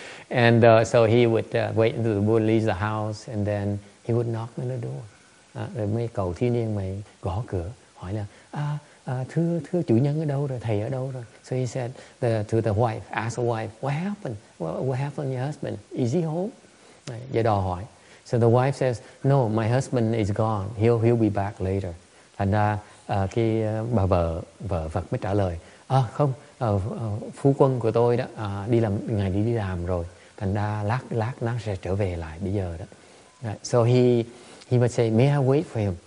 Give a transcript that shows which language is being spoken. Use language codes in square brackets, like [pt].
[en] And so he would wait until the Buddha leaves the house, and then he would knock on the door. [vi] Rồi mấy cậu thiếu niên mày gõ cửa, hỏi là, thưa chủ nhân ở đâu rồi, thầy ở đâu rồi. [en] So he said to the wife, ask the wife, what happened? What happened to your husband? Is he home? [vi] Giờ đò hỏi. [en] So the wife says, no, my husband is gone. He'll be back later. [vi] Thành ra cái bà vợ Phật mới trả lời, không, phu quân của tôi đó đi làm, ngày đi làm rồi. Thành ra lát nó sẽ trở về lại bây giờ đó. [en] So he would say, may I wait for him?